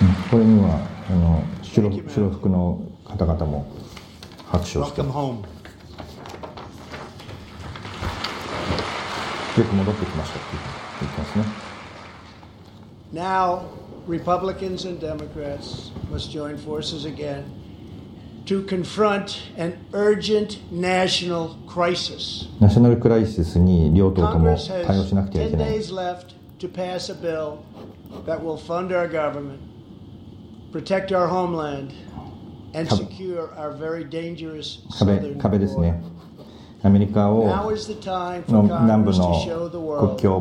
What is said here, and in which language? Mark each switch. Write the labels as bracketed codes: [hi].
[ja] これにはあの 白服の方々も拍手をして [en] Welcome home. [ja] よく戻ってきましたって言ってますね。 [en] Now, Republicans and Democrats must join forces again to confront an urgent national crisis. [ja] ナショナルクライシスに両党とも対応しなくてはいけない。 [en] Congress has 10 days left to pass a bill that will fund our governmentProtect our homeland and secure our very dangerous southern border. Now is the time for Congress to show the world